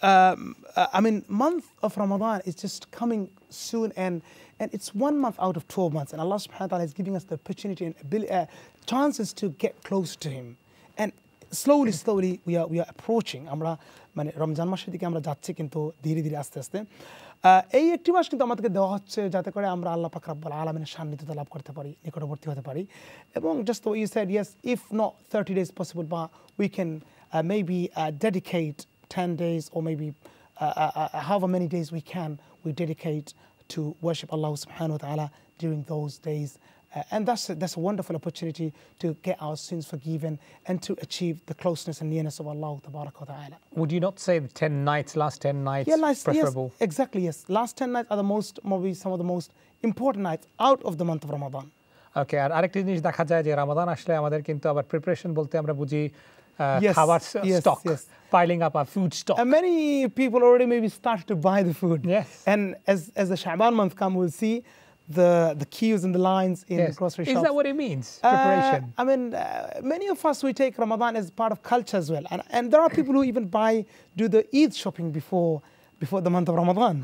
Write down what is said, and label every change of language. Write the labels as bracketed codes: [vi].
[en] I mean, month of Ramadan is just coming soon, and it's 1 month out of 12 months. And Allah subhanahu wa ta'ala is giving us the opportunity and ability, chances to get close to Him. And slowly, slowly, we are approaching. [bn] Amra mane Ramzan mashe dike amra jacchi kintu dhire dhire aste aste. এই একটি মাস কিন্তু আমাদেরকে দেওয়া হচ্ছে যাতে করে আমরা আল্লাহ পাক রব্বুল আলামিনের সান্নিধ্যতা লাভ করতে পারি, নিকটবর্তী হতে পারি। [en] এবং just you said yes, if not 30 days possible, বা we can maybe dedicate 10 days ও maybe how many days we can we dedicate to worship Allah সুবহানাহু ওয়া তাআলা during those days. And that's a wonderful opportunity to get our sins forgiven and to achieve the closeness and nearness of Allah Tabaraka wa Ta'ala. Would you not say the 10 nights, last 10 nights, yeah, last, preferable? Yes, exactly, yes. Last 10 nights are the most, maybe some of the most important nights out of the month of Ramadan. Okay, and [bn] আরেকটি জিনিস দেখা যায় যে রমাদান আসলে আমাদের কিন্তু আবার preparation বলতে আমরা বুঝি খাবার stock, [en] piling up [bn] আর food stock. [en] And many people already maybe start to buy the food. Yes. And as the Sha'ban month come, we'll see the queues and the lines in the grocery shops. Is that what it means, preparation? I mean, many of us, we take Ramadan as part of culture as well. And there are people who even do the Eid shopping before the month of Ramadan.